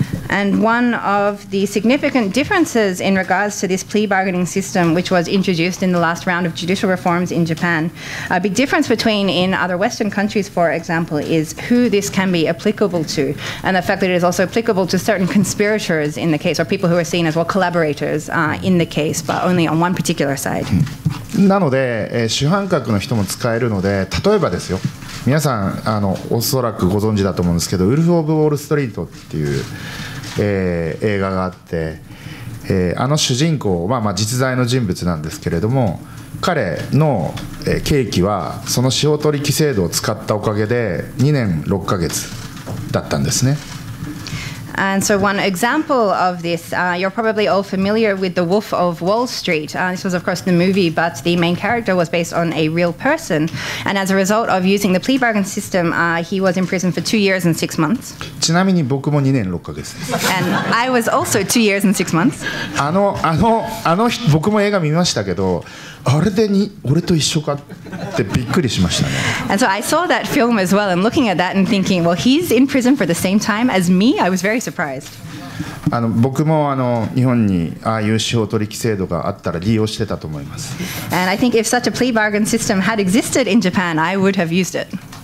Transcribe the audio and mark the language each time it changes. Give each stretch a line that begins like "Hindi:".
English: And one of the significant differences in regards to this plea bargaining system, which was introduced in the last round of judicial reforms in Japan, a big difference between in other Western countries, for example, is who this can be applicable to, and the fact that it is also applicable to certain conspirators in the case, or people who are seen as well collaborators in the case, but only on one particular side.
Japanese: なので、主犯格の人も使えるので、例えばですよ。皆さんおそらくご存知だと思うんですけど、ウルフ・オブ・ウォール・ストリートっていう、映画があって、主人公、実在の人物なんですけれども、彼の、刑期はその司法取引制度を使ったおかげで2年6ヶ月だったんですね。
English: And so one example of this, you're probably all familiar with The Wolf of Wall Street. This was of course the movie, but the main character was based on a real person. And as a result of using the plea bargain system, he was in prison for 2 years and 6 months.
Japanese: ちなみに僕も2年6ヶ月です。
English: And I was also 2 years and 6 months.
Japanese: あの僕も映画見ましたけど、あれでに俺と一緒かってびっくりしましたね。
English: And so I saw that film as well, and looking at that and thinking, well, he's in prison for the same time as me. I was very surprised.
Japanese: 僕も日本にああいう司法取引制度があったら利用してたと思います。
English: And I think if such a plea bargain system had existed in Japan, I would have used it.